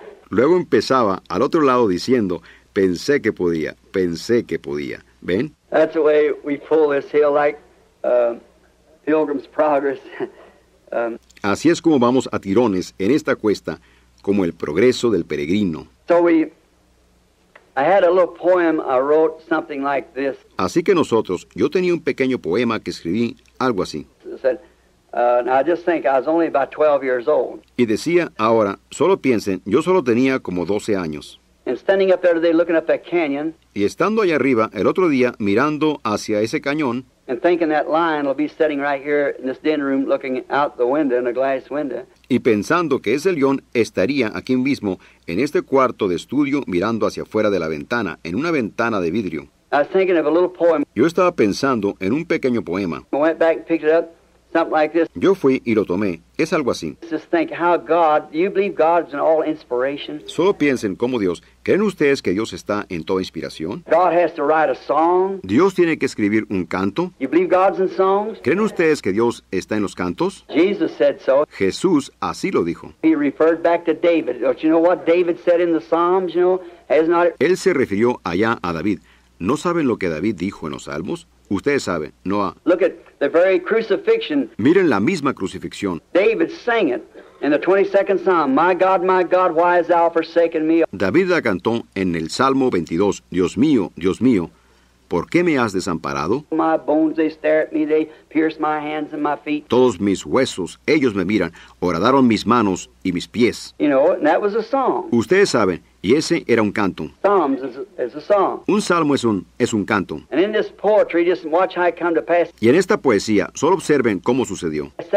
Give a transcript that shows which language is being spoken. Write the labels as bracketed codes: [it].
[es] Luego empezaba al otro lado diciendo, pensé que podía, pensé que podía. ¿Ven? [en] That's the way we pull this hill like Pilgrim's Progress. [es] Así es como vamos a tirones en esta cuesta, como el progreso del peregrino. [en] So I had a little poem I wrote something like this. [es] Así que nosotros, yo tenía un pequeño poema que escribí, algo así. [en] I just think I was only about 12 years old. [es] Y decía, ahora, solo piensen, yo solo tenía como 12 años. [en] And standing up there today looking up that canyon. [es] Y estando allá arriba el otro día mirando hacia ese cañón. [en] And thinking that lion will be sitting right here in this den room looking out the window in a glass window. [es] Y pensando que ese león estaría aquí mismo, en este cuarto de estudio, mirando hacia afuera de la ventana, en una ventana de vidrio. [en] I was thinking of a little poem. [es] Yo estaba pensando en un pequeño poema. [en] I went back and picked it up, something like this. [es] Yo fui y lo tomé. Es algo así. [en] Just think how God, do you believe God's in all inspiration? [es] Solo piensen cómo Dios. ¿Creen ustedes que Dios está en toda inspiración? [en] God has to write a song. [es] Dios tiene que escribir un canto. [en] You believe God's in songs? [es] ¿Creen ustedes que Dios está en los cantos? [en] Jesus said so. [es] Jesús así lo dijo. [en] He referred back to David. Don't you know what David said in the Psalms? You know, has not. [es] Él se refirió allá a David. ¿No saben lo que David dijo en los Salmos? Ustedes saben, no a. [en] Look at the very crucifixion. [es] Miren la misma crucifixión. [en] David sang it in the 22nd Psalm. My God, why has thou forsaken me? [es] David la cantó en el Salmo 22. Dios mío, ¿por qué me has desamparado? [en] My bones, they stare at me, they pierce my hands and my feet. [es] Todos mis huesos, ellos me miran, horadaron mis manos y mis pies. [en] You know, and that was a song. [es] Ustedes saben, y ese era un canto. [en] Psalms is a song. [es] Un salmo es un canto. [en] And in this poetry, just watch how it come to pass. [es] Y en esta poesía, solo observen cómo sucedió.